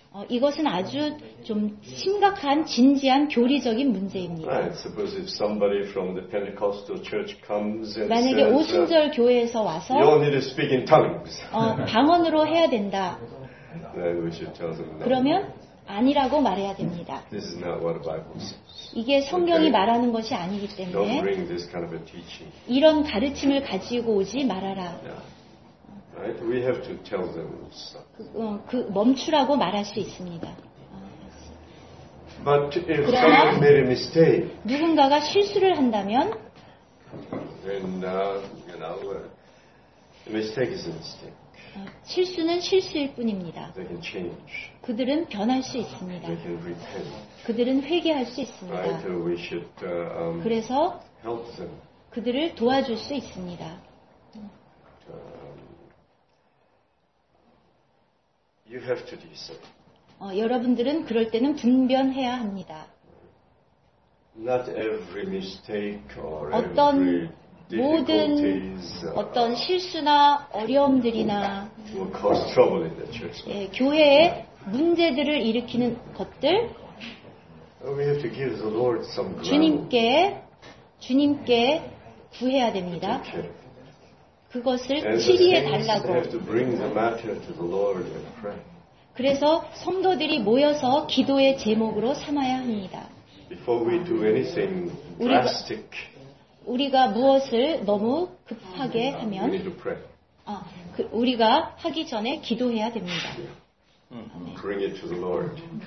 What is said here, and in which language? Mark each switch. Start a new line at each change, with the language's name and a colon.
Korean: 이것은 아주 좀 심각한 진지한 교리적인 문제입니다.
English: Suppose if somebody from the Pentecostal church comes and
Korean: 만약에 오순절 교회에서 와서
English: you need to speak in tongues.
Korean: 방언으로 해야 된다.
English: Then we should tell them
Korean: 그러면 아니라고 말해야 됩니다.
English: This is not what the Bible says.
Korean: 이게 성경이 okay. 말하는 것이 아니기 때문에
English: Don't bring this kind of a teaching.
Korean: 이런 가르침을 가지고 오지 말아라.
English: Yeah. Right? We have to tell them stop.
Korean: 멈추라고 말할 수 있습니다.
English: But if someone made a mistake,
Korean: 누군가가 실수를 한다면,
English: then you know, the mistake is a mistake.
Korean: 실수는 실수일 뿐입니다.
English: They can change.
Korean: 그들은 변할 수 있습니다.
English: They can repent.
Korean: 그들은 회개할 수 있습니다.
English: Right? We should,
Korean: 그래서
English: help them.
Korean: 그들을 도와줄 수 있습니다.
English: You have to discern.
Korean: 여러분들은 그럴 때는 분별해야 합니다.
English: Not every mistake or
Korean: 어떤
English: every difficulties,
Korean: 모든 어떤 실수나 어려움들이나
English: will cause trouble in the church.
Korean: 예, 교회에 문제들을 일으키는 것들
English: we have to give the Lord some ground.
Korean: 주님께 구해야 됩니다. 그것을 치리해 달라고.
English: They have to bring the matter to the Lord and pray.
Korean: 그래서 성도들이 모여서 기도의 제목으로 삼아야 합니다.
English: Before we do anything drastic,
Korean: 우리가 무엇을 너무 급하게 하면
English: we need to pray.
Korean: 우리가 하기 전에 기도해야 됩니다.
English: Yeah. Bring it to the Lord.